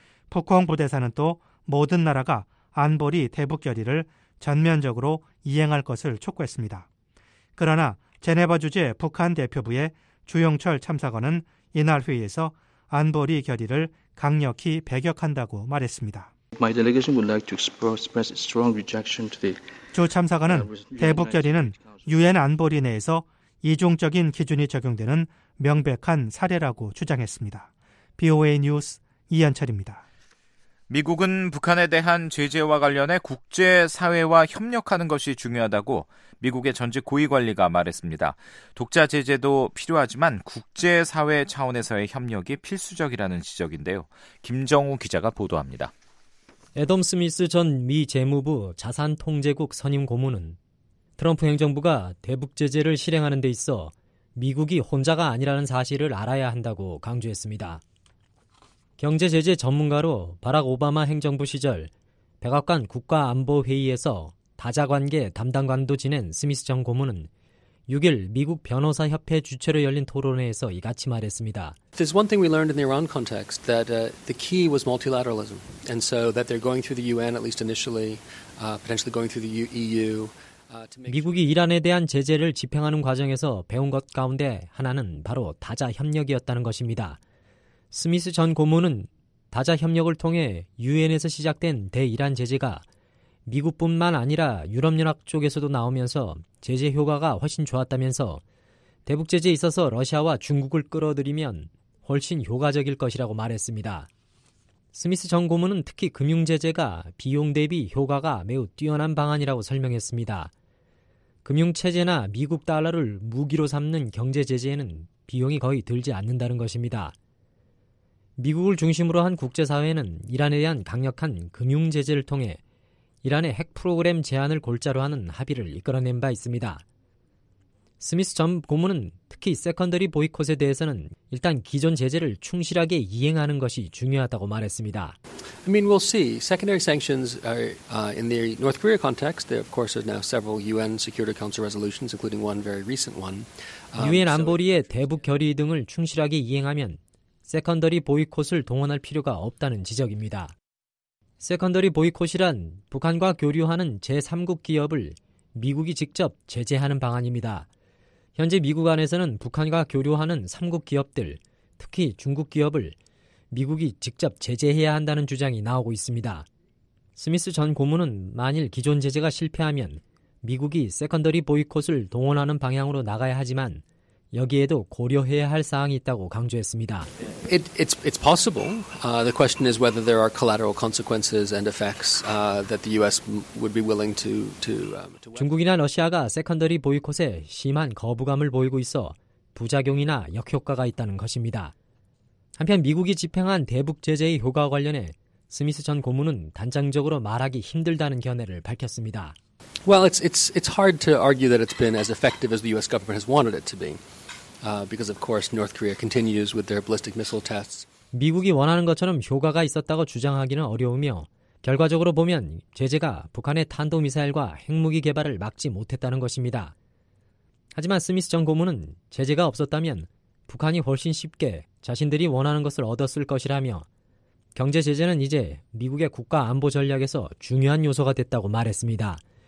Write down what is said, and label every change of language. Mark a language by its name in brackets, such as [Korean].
[Korean] 푸콩 부대사는 또 모든 나라가 안보리 대북 결의를 전면적으로 이행할 것을 촉구했습니다. 그러나 제네바 주재 북한 대표부의 주영철 참사관은 이날 회의에서 안보리 결의를 강력히 배격한다고 말했습니다. [English] My delegation would like to express strong rejection to the [Korean] 주 참사관은 대북 결의는 유엔 안보리 내에서 이중적인 기준이 적용되는 명백한 사례라고 주장했습니다. BOA 뉴스 이현철입니다. 미국은 북한에 대한 제재와 관련해 국제사회와 협력하는 것이 중요하다고 미국의 전직 고위관리가 말했습니다. 독자 제재도 필요하지만 국제사회 차원에서의 협력이 필수적이라는 지적인데요. 김정우 기자가 보도합니다. 애덤 스미스 전 미 재무부 자산통제국 선임 고문은 트럼프 행정부가 대북 제재를 실행하는 데 있어 미국이 혼자가 아니라는 사실을 알아야 한다고 강조했습니다. 경제 제재 전문가로 바락 오바마 행정부 시절 백악관 국가안보회의에서 다자관계 담당관도 지낸 스미스 전 고문은 6일 미국 변호사협회 주최로 열린 토론회에서 이같이 말했습니다. [English] There's one thing we learned in the Iran context that the key was multilateralism. And so that they're going through the UN at least initially, potentially going through the EU. [Korean] 미국이 이란에 대한 제재를 집행하는 과정에서 배운 것 가운데 하나는 바로 다자협력이었다는 것입니다. 스미스 전 고문은 다자협력을 통해 유엔에서 시작된 대이란 제재가 미국뿐만 아니라 유럽연합 쪽에서도 나오면서 제재 효과가 훨씬 좋았다면서 대북 제재에 있어서 러시아와 중국을 끌어들이면 훨씬 효과적일 것이라고 말했습니다. 스미스 전 고문은 특히 금융 제재가 비용 대비 효과가 매우 뛰어난 방안이라고 설명했습니다. 금융 체제나 미국 달러를 무기로 삼는 경제 제재에는 비용이 거의 들지 않는다는 것입니다. 미국을 중심으로 한 국제사회는 이란에 대한 강력한 금융 제재를 통해 이란의 핵 프로그램 제한을 골자로 하는 합의를 이끌어낸 바 있습니다. 스미스 전 고문은 특히 세컨더리 보이콧에 대해서는 일단 기존 제재를 충실하게 이행하는 것이 중요하다고 말했습니다. [English] I mean, we'll see. Secondary sanctions are in the North Korea context. There, of course, are now several UN Security Council resolutions, including one very recent one. [Korean] 유엔 안보리의 대북 결의 등을 충실하게 이행하면 세컨더리 보이콧을 동원할 필요가 없다는 지적입니다. 세컨더리 보이콧이란 북한과 교류하는 제3국 기업을 미국이 직접 제재하는 방안입니다. 현재 미국 안에서는 북한과 교류하는 3국 기업들, 특히 중국 기업을 미국이 직접 제재해야 한다는 주장이 나오고 있습니다. 스미스 전 고문은 만일 기존 제재가 실패하면 미국이 세컨더리 보이콧을 동원하는 방향으로 나가야 하지만 여기에도 고려해야 할 사항이 있다고 강조했습니다. [English] It's possible. The question is whether there are collateral consequences and effects that the US would be willing to [Korean] 중국이나 러시아가 세컨더리 보이콧에 심한 거부감을 보이고 있어 부작용이나 역효과가 있다는 것입니다. 한편 미국이 집행한 대북 제재의 효과와 관련해 스미스 전 고문은 단정적으로 말하기 힘들다는 견해를 밝혔습니다. [English] Well, it's hard to argue that it's been as effective as the U.S. government has wanted it to be. because of course North Korea continues with their ballistic missile tests. [Korean] 미국이 원하는 것처럼 효과가 있었다고 주장하기는 어려우며 결과적으로 보면 제재가 북한의 탄도미사일과 핵무기 개발을 막지 못했다는 것입니다. 하지만 스미스 전 고문은 제재가 없었다면 북한이 훨씬 쉽게 자신들이 원하는 것을 얻었을 것이라며 경제 제재는 이제 미국의 국가 안보 전략에서 중요한 요소가 됐다고 말했습니다.